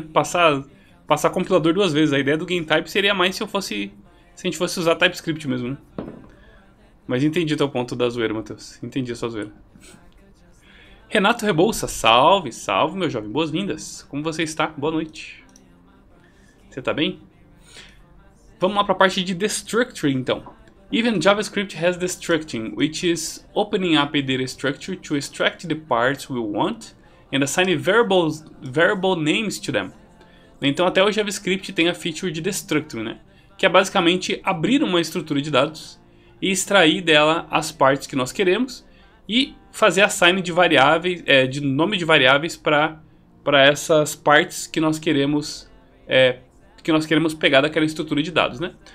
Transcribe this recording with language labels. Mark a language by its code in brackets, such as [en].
[pt] Passar compilador duas vezes. A ideia do GameType seria mais se a gente fosse usar TypeScript mesmo, né? Mas entendi teu ponto da zoeira, Matheus. Entendi a sua zoeira. Renato Rebouça, salve, salve, meu jovem. Boas-vindas. Como você está? Boa noite. Você tá bem? Vamos lá para a parte de destructuring, então. [en] Even JavaScript has destructuring, which is opening up a data structure to extract the parts we want and assign variable names to them. [pt] Então, até o JavaScript tem a feature de destructuring, né? Que é basicamente abrir uma estrutura de dados e extrair dela as partes que nós queremos e fazer assign de variáveis, de nome de variáveis para essas partes que nós queremos, que nós queremos pegar daquela estrutura de dados, né?